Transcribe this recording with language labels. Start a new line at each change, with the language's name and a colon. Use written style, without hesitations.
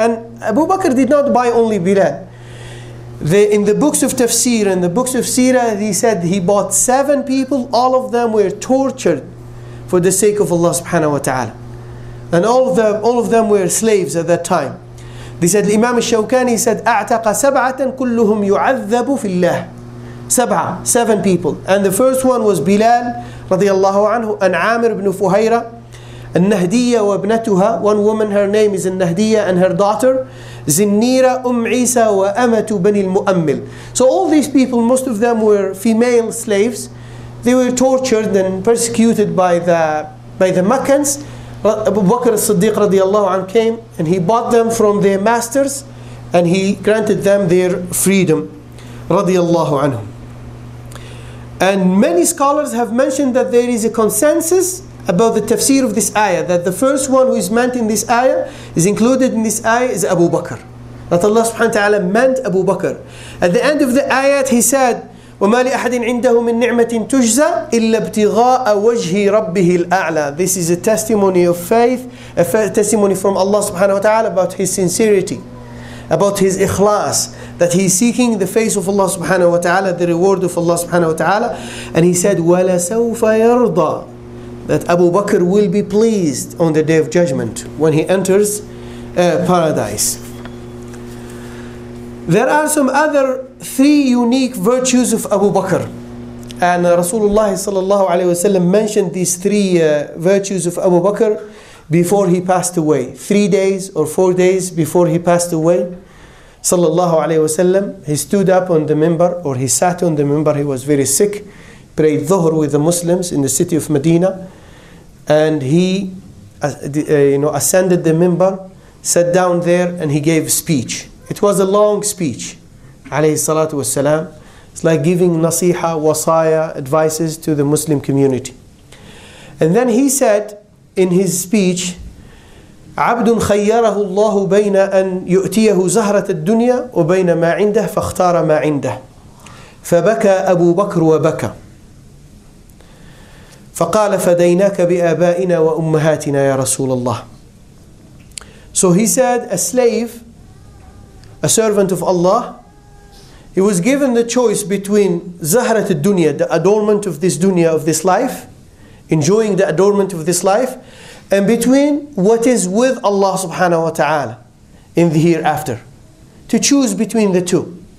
English: And Abu Bakr did not buy only Bilal. In the books of Tafsir and the books of Sirah, he said he bought 7 people. All of them were tortured for the sake of Allah subhanahu wa ta'ala. And all of them were slaves at that time. They said, Imam al-Shawkani said,
Arabic: أَعْتَقَ سَبْعَةً كُلُّهُمْ يُعَذَّبُ فِي اللَّهِ.
English: Seven people. And the first one was Bilal radiallahu anhu, and Amir ibn Fuhayra, and Nahdiya wa ibnatuha. One woman, her name is Nahdiya, and her daughter, Zinnira, Isa wa amatu bani al-Mu'ammil. So all these people, most of them were female slaves. They were tortured and persecuted by the Meccans. Abu Bakr as-Siddiq radiallahu anhu came and he bought them from their masters and he granted them their freedom radiallahu anhu. And many scholars have mentioned that there is a consensus about the tafsir of this ayah, that the first one who is meant in this ayah, is included in this ayah, is Abu Bakr. That Allah subhanahu wa ta'ala meant Abu Bakr. At the end of the ayat he said,
Arabic: وَمَا لِأَحَدٍ عِنْدَهُ مِنْ نِعْمَةٍ تُجْزَى إِلَّا ابْتِغَاءَ وَجْهِ رَبِّهِ الْأَعْلَى.
English: This is a testimony of faith, a testimony from Allah subhanahu wa ta'ala about his sincerity, about his ikhlas, that he's seeking the face of Allah subhanahu wa ta'ala, the reward of Allah subhanahu wa ta'ala. And he said,
Arabic: وَلَسَوْفَ يَرْضَى,
English: that Abu Bakr will be pleased on the Day of Judgment when he enters paradise. There are some other 3 unique virtues of Abu Bakr. And Rasulullah sallallahu alayhi wasallam mentioned these 3 virtues of Abu Bakr before he passed away. 3 days or 4 days before he passed away, sallallahu alayhi wasallam, he stood up on the minbar, or he sat on the minbar, he was very sick, prayed dhuhr with the Muslims in the city of Medina. And he ascended the minbar, sat down there, and he gave a speech. It was a long speech, alayhi salatu wasalam. It's like giving nasiha, wasaya, advices to the Muslim community. And then he said in his speech,
Arabic: عَبْدٌ خَيَّرَهُ اللَّهُ بَيْنَ أَنْ يُؤْتِيَهُ زَهْرَةَ الدُّنْيَا وَبَيْنَ مَا عِنْدَهُ فَاخْتَارَ مَا عِنْدَهُ فَبَكَى أَبُو بَكْرُ وَبَكَى فَقَالَ فَدَيْنَاكَ بِآبَائِنَا وَأُمَّهَاتِنَا يَا رَسُولَ اللَّهِ.
English: So he said, a slave, a servant of Allah, he was given the choice between zahrat al-dunya, the adornment of this dunya, of this life, enjoying the adornment of this life, and between what is with Allah subhanahu wa ta'ala in the hereafter, to choose between the two.